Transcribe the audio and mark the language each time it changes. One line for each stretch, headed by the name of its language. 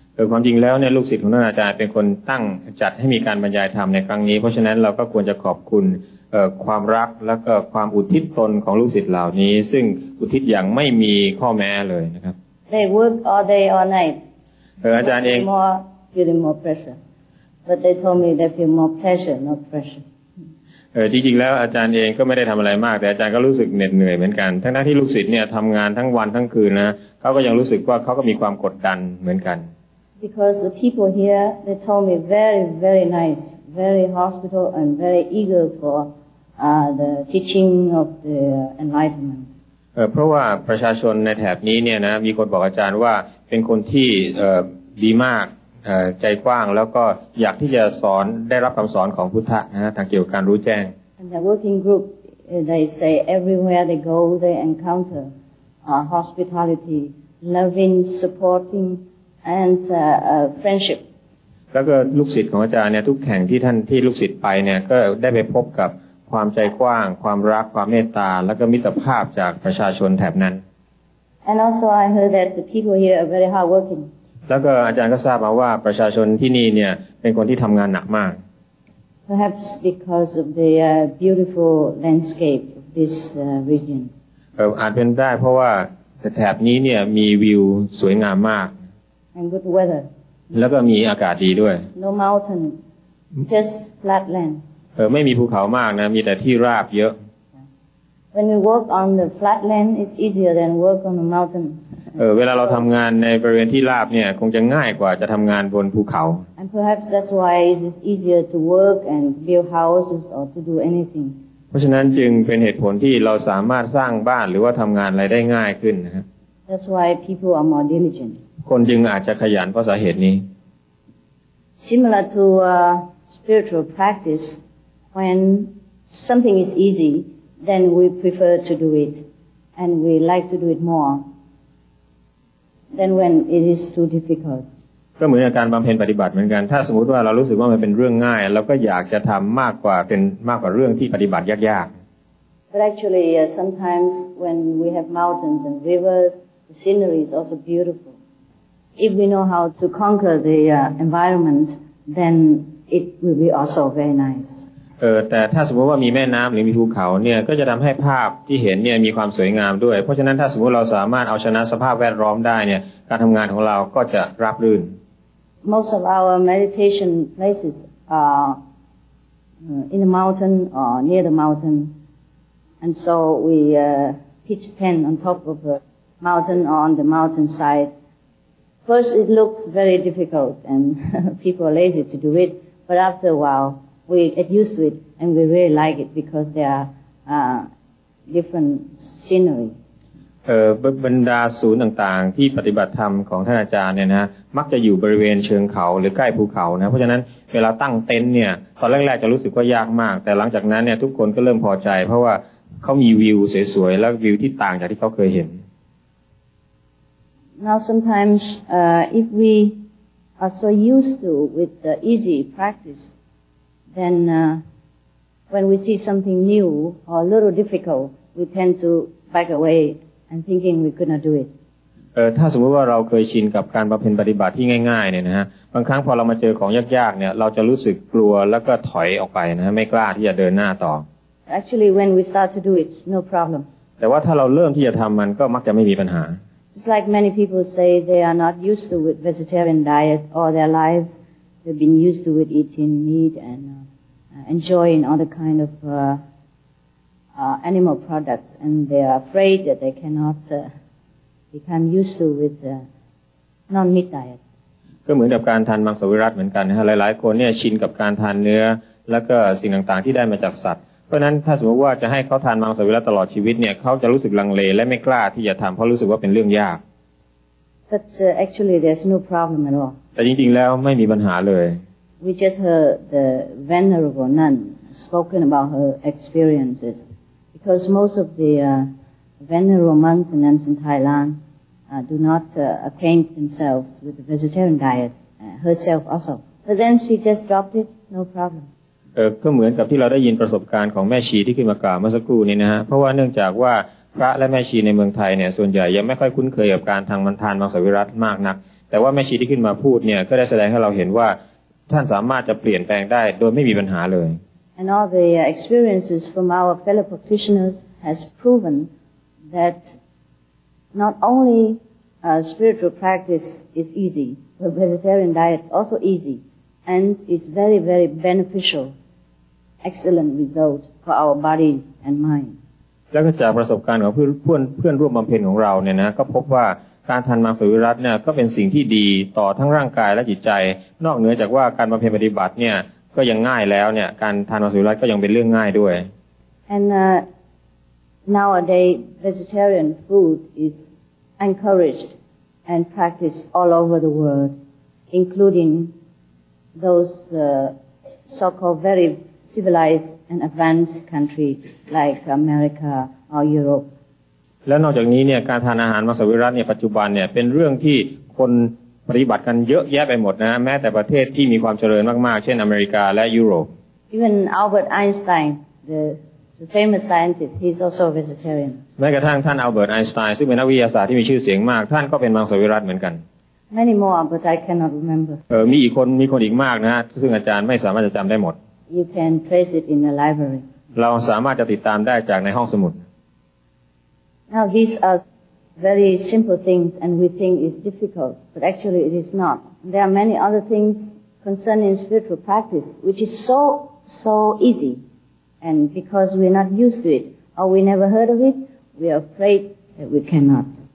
Thai: ความจริงแล้วเนี่ยลูกศิษย์ของท่านอาจารย์เป็นคนตั้งจัดให้มีการบรรยายธรรมในครั้งนี้เพราะฉะนั้นเราก็ควรจะขอบคุณความรักและก็ความอุทิศตนของลูกศิษย์เหล่านี้ซึ่งอุทิศอย่างไม่มีข้อแม้เลยนะครับ
English: They work all day all night
Thai: อาจารย์เอง
English: feeling more pressure but they told me they feel more pleasure not pressure
Thai: จริงๆแล้วอาจารย์เองก็ไม่ได้ทำอะไรมากแต่อาจารย์ก็รู้สึกเหน็ดเหนื่อยเหมือนกันทั้งที่ลูกศิษย์เนี่ยทำงานทั้งวันทั้งคืนนะเขาก็ยังรู้สึกว่าเขาก็มีความกดดันเหมือนกัน
English: Because the people here, they told me very, very nice, very hospitable, and very eager for the teaching of the enlightenment.
Thai: เพราะว่าประชาชนในแถบนี้เนี่ยนะมีคนบอกอาจารย์ว่าเป็นคนที่ดีมากใจกว้างแล้วก็อยากที่จะสอนได้รับคำสอนของพุทธะนะทางเกี่ยวกับการรู้แจ้ง
English: And the working group, they say everywhere they go, they encounter hospitality, loving, supporting. And friendship.
Thai: แล้วก็ลูกศิษย์ของอาจารย์เนี่ยทุกแห่งที่ท่านที่ลูกศิษย์ไปเนี่ยก็ได้ไปพบกับความใจกว้างความรักความเมตตาแล้วก็มิตรภาพจากประชาชนแถบนั้น
English: And also I heard that the people here are very hardworking.
Thai: แล้วก็อาจารย์ก็ทราบมาว่าประชาชนที่นี่เนี่ยเป็นคนที่ทำงานหนักมาก
English: Perhaps because of the beautiful landscape of this region.
Thai: อาจเป็นได้เพราะว่าแถบนี้เนี่ยมีวิวสวยงามมาก
English: And good weather.
Thai: แล้วก็มีอากาศดีด้วย
English: No mountain, just flat land.
Thai: ไม่มีภูเขามากนะมีแต่ที่ราบเยอะ
English: When we work on the flat land, it's easier than work on the mountain.
Thai: เวลาเราทำงานในบริเวณที่ราบเนี่ยคงจะง่ายกว่าจะทำงานบนภูเขา
English: And perhaps that's why it's easier to work and build houses or to do anything.
Thai: เพราะฉะนั้นจึงเป็นเหตุผลที่เราสามารถสร้างบ้านหรือว่าทำงานอะไรได้ง่ายขึ้นนะครับ
English: That's why people are more diligent.
Thai: คนจึงอาจจะขยันเพราะสาเหตุนี้
English: Similar to spiritual practice, when something is easy, then we prefer to do it, and we like to do it more than when it is too difficult.
Thai: ก็เหมือนการบำเพ็ญปฏิบัติเหมือนกันถ้าสมมติว่าเรารู้สึกว่ามันเป็นเรื่องง่ายเราก็อยากจะทำมากกว่าเรื่องที่ปฏิบัติยากๆ
English: But actually, sometimes when we have mountains and rivers, the scenery is also beautiful. If we know how to conquer the environment, then it will be also very nice.
Thai: แต่ถ้าสมมติว่ามีแม่น้ำหรือมีภูเขาเนี่ยก็จะทำให้ภาพที่เห็นเนี่ยมีความสวยงามด้วยเพราะฉะนั้นถ้าสมมติเราสามารถเอาชนะสภาพแวดล้อมได้เนี่ยการทำงานของเราก็จะราบรื่น
English: Most of our meditation places are in the mountain or near the mountain, and so we pitch tent on top of the mountain or on the mountainside. First, it looks very difficult and people are lazy to do it, but after a while. We get used to it, and we really like it because there are different scenery.
Thai: บรรดาศูนย์ต่างๆที่ปฏิบัติธรรมของท่านอาจารย์เนี่ยนะมักจะอยู่บริเวณเชิงเขาหรือใกล้ภูเขานะเพราะฉะนั้นเวลาตั้งเต็นท์เนี่ยตอนแรกๆจะรู้สึกว่ายากมากแต่หลังจากนั้นเนี่ยทุกคนก็เริ่มพอใจเพราะว่าเขามีวิวสวยๆและวิวที่ต่างจากที่เขาเคยเห็น
English: Now sometimes if we are so used to with the easy practiceThen when we see something new or a little difficult, we tend to back away and thinking we could not do it.
Thai: ถ้าสมมติว่าเราเคยชินกับการบำเพ็ญปฏิบัติที่ง่ายๆเนี่ยนะฮะบางครั้งพอเรามาเจอของยากๆเนี่ยเราจะรู้สึกกลัวแล้วก็ถอยออกไปนะฮะไม่กล้าที่จะเดินหน้าต่อ
English: Actually, when we start to do it, no problem.
Thai: แต่ว่าถ้าเราเริ่มที่จะทำมันก็มักจะไม่มีปัญหา
English: Just like many people say, they are not used to with vegetarian diet all their lives. They've been used to with eating meat andenjoying all the kind of animal products, and they are afraid that they cannot become used to with the non-meat diet.
Thai: ก็เหมือนกับการทานมังสวิรัติเหมือนกันนะฮะหลายๆคนเนี่ยชินกับการทานเนื้อแล้วก็สิ่งต่างๆที่ได้มาจากสัตว์เพราะนั้นถ้าสมมติว่าจะให้เขาทานมังสวิรัติตลอดชีวิตเนี่ยเขาจะรู้สึกลังเลและไม่กล้าที่จะทำเพราะรู้สึกว่าเป็นเรื่องยาก
English: But actually, there's no problem at all.
Thai: แต่จริงๆแล้วไม่มีปัญหาเลย
English: We just heard the Venerable Nun spoken about her experiences. Because most of the Venerable Monks and Nuns in Thailand do not acquaint themselves with the vegetarian diet, herself also. But then she just dropped it, no problem.
Thai: ก็เหมือนกับที่เราได้ยินประสบการณ์ของแม่ชีที่ขึ้นมากล่าวเมื่อสักครู่นี้นะฮะเพราะว่าเนื่องจากว่าพระและแม่ชีในเมืองไทยเนี่ยส่วนใหญ่ยังไม่ค่อยคุ้นเคยกับการทางมันทานมังสวิรัติมากนักแต่ว่าแม่ชีที่ขึ้นมาพูดเนี่ยก็ได้แสดงให้เราเห็นว่าท่านสามารถจะเปลี่ยนแปลงได้โดยไม่มีปัญหาเลย
English: And all the experiences from our fellow practitioners has proven that not only spiritual practice is easy, but vegetarian diet is also easy and is very, very beneficial, excellent result for our body and mind.
Thai: แล้วก็จากประสบการณ์ของเพื่อนร่วมบำเพ็ญของเราเนี่ยนะก็พบว่าการทานมังสวิรัติเนี่ยก็เป็นสิ่งที่ดีต่อทั้งร่างกายและจิตใจนอกเหนือจากว่าการบำเพ็ญปฏิบัติเนี่ยก็ยังง่ายแล้วเนี่ยการทานมังสวิรัติก็ยังเป็นเรื่องง่ายด้วย
English: And nowadays vegetarian food is encouraged and practiced all over the world including those so-called very civilized and advanced country like America or Europe
Thai: และนอกจากนี้เนี่ยการทานอาหารมังสวิรัติเนี่ยปัจจุบันเนี่ยเป็นเรื่องที่คนปฏิบัติกันเยอะแยะไปหมดนะแม้แต่ประเทศที่มีความเจริญมากๆเช่นอเมริกาและยุโรป
English: Even Albert Einstein the famous scientist he's also a vegetarian
Thai: แม้กระทั่งท่านอัลเบิร์ตไอน์สไตน์ซึ่งเป็นนักวิทยาศาสตร์ที่มีชื่อเสียงมากท่านก็เป็นมังสวิรัติเหมือนกัน
English: Many more but I cannot remember
Thai: มีคนอีกมากนะซึ่งอาจารย์ไม่สามารถจะจำได้หมด
English: You can trace it in the library
Thai: เราสามารถจะติดตามได้จากในห้องสมุด
English: Now these are very simple things and we think is difficult, but actually it is not. There are many other things concerning spiritual practice which is so, so easy. And because we're not used to it or we never heard of it, we are afraid that we cannot.